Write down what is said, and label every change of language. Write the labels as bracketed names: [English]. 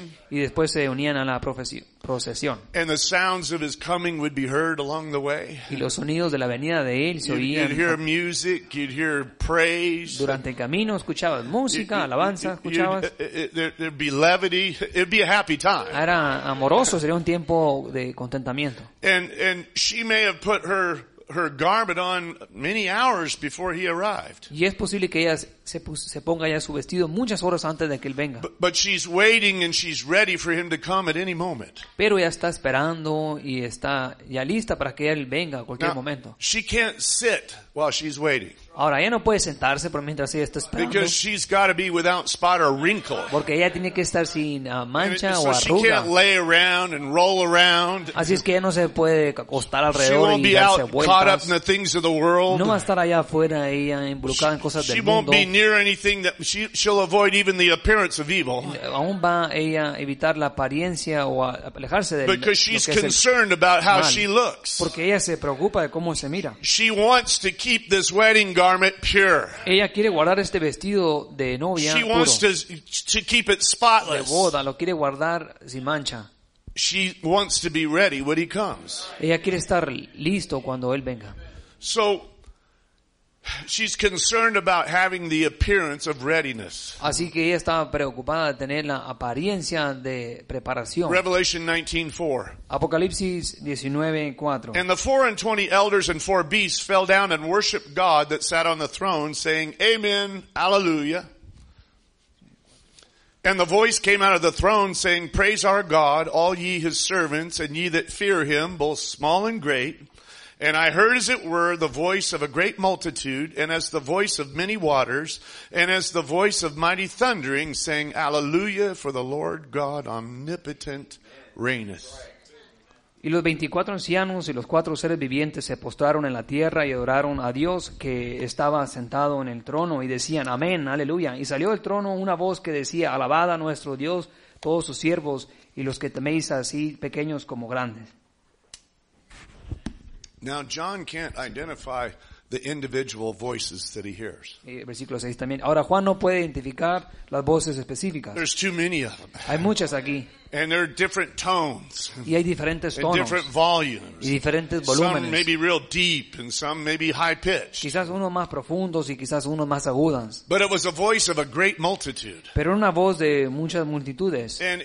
[Spanish] Y después se unían a la procesión. [English] And the sounds of his coming would be heard along the way. [Spanish] Y los sonidos de la venida de él se oían. [English] You'd hear music, you'd hear praise. [Spanish] Durante el camino escuchabas música, alabanza, escuchabas. [English] There'd be levity, it'd be a happy time. [Spanish] Era amoroso, sería un tiempo de contentamiento. [English] And she may have put her garment on many hours before he arrived. [Spanish] Y es posible que ella se ponga ya su vestido muchas horas antes de que él venga. [English] But she's waiting and she's ready for him to come at any moment. [Spanish] Pero ella está esperando y está ya lista para que él venga a cualquier momento. [English] She can't sit while she's waiting. [Spanish] Ahora ella no puede sentarse por mientras ella está esperando. [English] Because she's got to be without spot or wrinkle. [Spanish] Porque ella tiene que estar sin mancha o arruga. [English] So she can't lay around and roll around. [Spanish] Así es que ella no se puede acostar alrededor y darse vueltas. [English] Caught up in the things of the world. [Spanish] No va a estar allá afuera ella involucrada en cosas del mundo. [English] She won't be near anything that she'll avoid even the appearance of evil. [Spanish] Aún va ella evitar la apariencia o alejarse de lo que es el mal. [English] Because she's concerned about how she looks. [Spanish] Porque ella se preocupa de cómo se mira. [English] She wants to keep this wedding garment pure. [Spanish] Ella quiere guardar este vestido de novia puro. [English] She wants to keep it spotless. [Spanish] De boda, lo quiere guardar sin mancha. [English] She wants to be ready when he comes. [Spanish] Ella quiere estar listo cuando él venga. [English] So she's concerned about having the appearance of readiness. [Spanish] Así que ella estaba preocupada de tener la apariencia de preparación. [English] Revelation 19:4. [Spanish] Apocalipsis 19:4. [English] And the 24 elders and four beasts fell down and worshiped God that sat on the throne, saying, Amen, Alleluia. And the voice came out of the throne, saying, Praise our God, all ye his servants, and ye that fear him, both small and great. And I heard, as it were, the voice of a great multitude, and as the voice of many waters, and as the voice of mighty thundering, saying, Alleluia, for the Lord God omnipotent reigneth. [Spanish] Y los 24 ancianos y los 4 seres vivientes se postraron en la tierra y adoraron a Dios que estaba sentado en el trono y decían, Amén, Aleluya. Y salió del trono una voz que decía, Alabad a nuestro Dios, todos sus siervos, y los que teméis así pequeños como grandes. [English] Now John can't identify the individual voices that he hears. [Spanish] Versículo 6 también. Ahora Juan no puede identificar las voces específicas. [English] There's too many of them. [Spanish] Hay muchas aquí. [English] And there are different tones. [Spanish] Y hay diferentes tonos. [English] And different volumes. [Spanish] Y diferentes volúmenes. [English] Some maybe real deep and some maybe high pitched. [Spanish] Quizás unos más profundos y quizás unos más agudos. [English] But it was a voice of a great multitude. [Spanish] Pero una voz de muchas multitudes.